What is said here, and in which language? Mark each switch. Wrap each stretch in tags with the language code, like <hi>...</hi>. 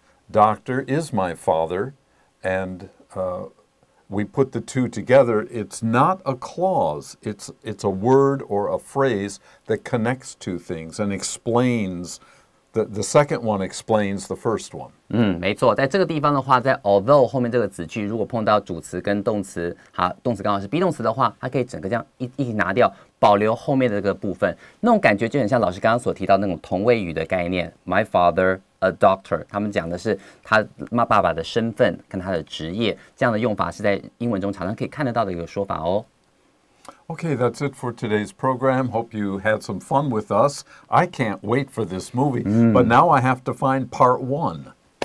<en>Doctor is my father, and we put the two together. It's not a clause. It's a word or a phrase that connects two things and explains the second one explains the first one.</en> <zh>没错，在这个地方的话，在 although 后面这个子句，如果碰到主词跟动词，好，动词刚好是 be 动词的话，它可以整个这样一拿掉，保留后面的这个部分。那种感觉就很像老师刚刚所提到那种同位语的概念。</zh> <en>My father. A doctor,</en> <zh>他们讲的是他妈爸爸的身份跟他的职业，这样的用法是在英文中常常可以看得到的一个说法哦。</zh> <en>Okay, that's it for today's program. Hope you had some fun with us. I can't wait for this movie, but now I have to find part one.</en>